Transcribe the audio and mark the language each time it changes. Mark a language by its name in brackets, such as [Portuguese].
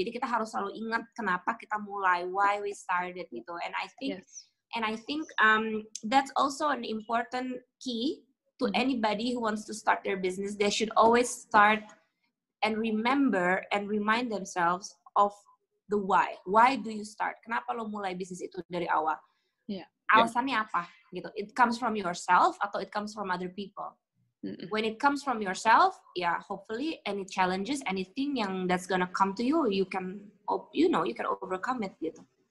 [Indonesian] Jadi kita harus selalu ingat kenapa kita mulai, [English] why we started gitu, and I think that's also an important key to anybody who wants to start their business. They should always start and remember and remind themselves of the why. Why do you start? [Indonesian] Kenapa lo mulai bisnis itu dari awal? Alasannya apa? Gitu. [English] It comes from yourself atau it comes from other people? When it comes from yourself, yeah, hopefully any challenges, anything yang that's gonna come to you, you can overcome it gitu.